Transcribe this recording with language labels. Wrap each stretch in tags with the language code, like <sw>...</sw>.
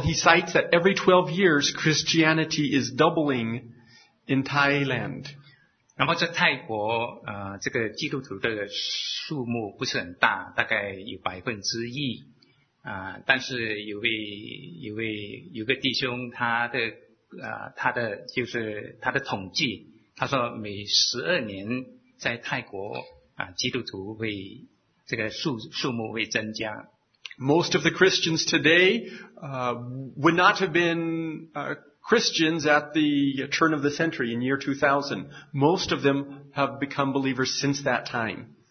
<en>He cites that every 12 years, Christianity is doubling in Thailand.</en> <zh>那么在泰国，这个基督徒的数目不是很大，大概有1%。但是有个弟兄，他的统计，他说每12年在泰国基督徒会这个数目会增加。</zh> <en>Most of the Christians today would not have been Christians at the turn of the century in year 2000. Most of them have become believers since that time.</en>